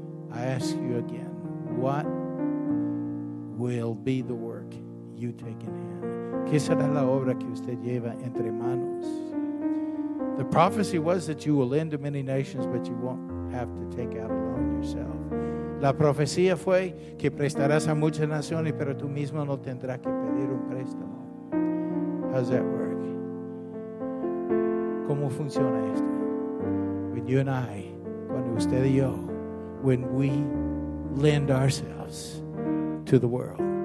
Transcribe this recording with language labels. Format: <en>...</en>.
<en>I ask you again, what will be the work you take in hand?</en> <es>¿Qué será la obra que usted lleva entre manos?</es> <en>The prophecy was that you will lend to many nations, but you won't have to take out a loan yourself.</en> <es>La profecía fue que prestarás a muchas naciones, pero tú mismo no tendrás que pedir un préstamo.</es> <en>How's that work?</en> <es>¿Cómo funciona esto?</es> <en>When you and I,</en> <es>cuando usted y yo,</es> <en>when we lend ourselves to the world,</en>